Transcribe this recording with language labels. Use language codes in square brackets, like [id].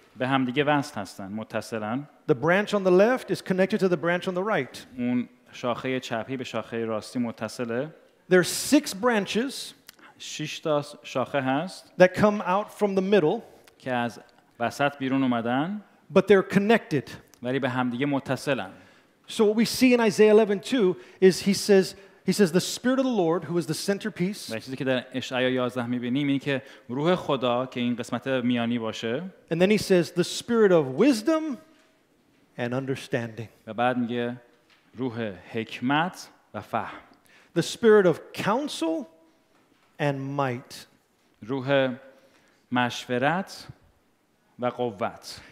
[fa] به هم دیگه وصل هستن، متصلن. [en] The branch on the left is connected to the branch on the right. [fa] اون شاخه چپی به شاخه راستی متصله. [en] There are six branches. [fa] شش تا شاخه هست. [en] That come out from the middle. [fa] که از وسط بیرون اومدن. [en] But they're connected. [fa] ولی به هم دیگه متصلن. [en] So what we see in Isaiah 11:2 is he says the Spirit of the Lord, who is the centerpiece. [fa] و چیزی که در اشعیا 11 می‌بینیم اینه که روح خدا که این قسمت میانی باشه. [en] And then he says the Spirit of wisdom and understanding. [fa] و بعد میگه روح حکمت و فهم. [en] The Spirit of counsel and might. [fa] روح مشورت و قوت.